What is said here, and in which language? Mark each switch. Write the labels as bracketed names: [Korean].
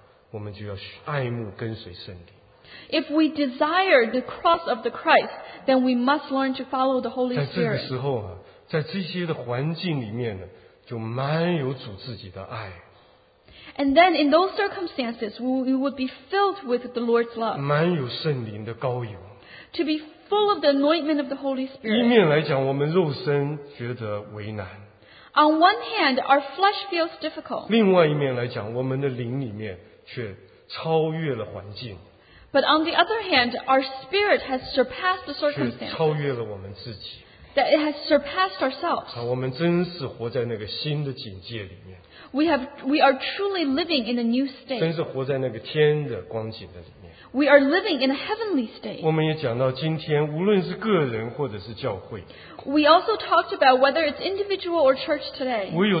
[Chinese] 弟兄姊妹们，我们爱慕基督的十字架，我们就要爱慕跟随圣灵。 [English] If we desire the cross of the Christ, then we must learn to follow the Holy Spirit. [Chinese] 在这个时候啊，在这些的环境里面呢，就满有主自己的爱。 [English] And then in those circumstances, we would be filled with the Lord's love. [Chinese] 满有圣灵的膏油。 [English] To be full of the anointment of the Holy Spirit. [Chinese] 一面来讲，我们肉身觉得为难。 [English] On one hand, our flesh feels difficult. [Chinese] 另外一面来讲，我们的灵里面却超越了环境。 [English] But on the other hand, our spirit has surpassed the circumstances. [Chinese] 却超越了我们自己。 [English] That it has surpassed ourselves. [Chinese] 我们真是活在那个新的境界里面。 [English] We are truly living in a new state. [Chinese] 真是活在那个天的光景的里面。 [English] We are living in a heavenly state. [Chinese] 我们也讲到今天，无论是个人或者是教会。 [English] We also talked about whether it's individual or church today.